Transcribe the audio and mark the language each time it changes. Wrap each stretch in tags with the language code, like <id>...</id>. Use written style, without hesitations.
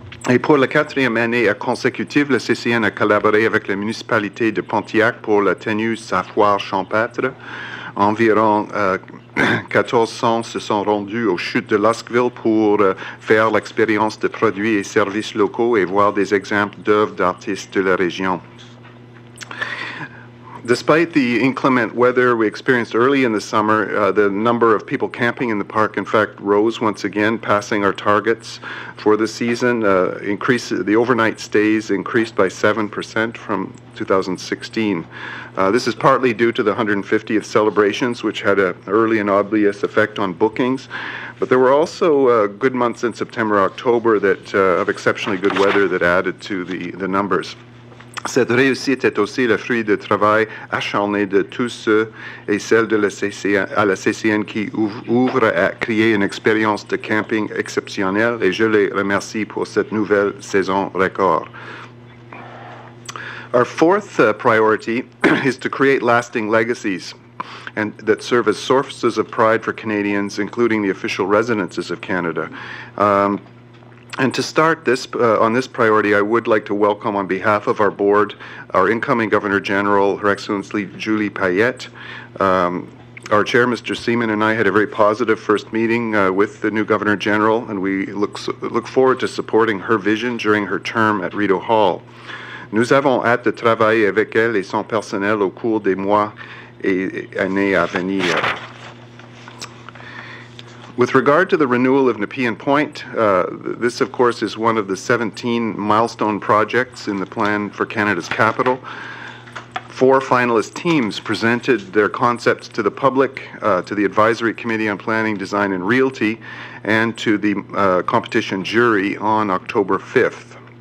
<fr>Et pour la quatrième année consécutive, la CCN a collaboré avec la municipalité de Pontiac pour la tenue sa foire champêtre. Environ 1400 se sont rendus aux chutes de Luskville pour faire l'expérience de produits et services locaux et voir des exemples d'œuvres d'artistes de la région.</fr> <en>Despite the inclement weather we experienced early in the summer, the number of people camping in the park, in fact, rose once again, passing our targets for the season. The overnight stays increased by 7% from 2016. This is partly due to the 150th celebrations, which had an early and obvious effect on bookings. But there were also good months in September, October that of exceptionally good weather that added to the numbers.</en> <fr>Cette réussite est aussi le fruit du travail acharné de tous ceux et celles de la CCN qui ouvre à créer une expérience de camping exceptionnelle et je les remercie pour cette nouvelle saison record.</fr> <en>Our fourth priority is to create lasting legacies and that serve as sources of pride for Canadians, including the official residences of Canada. And to start this on this priority, I would like to welcome on behalf of our board, our incoming Governor General, Her Excellency Julie Payette. Our chair, Mr. Seaman, and I had a very positive first meeting with the new Governor General, and we look forward to supporting her vision during her term at Rideau Hall.</en> <fr>Nous avons hâte de travailler avec elle et son personnel au cours des mois et années à venir.</fr> <en>With regard to the renewal of Nepean Point, this, of course, is one of the 17 milestone projects in the plan for Canada's capital. Four finalist teams presented their concepts to the public, to the Advisory Committee on Planning, Design, and Realty, and to the competition jury on October 5th.</en>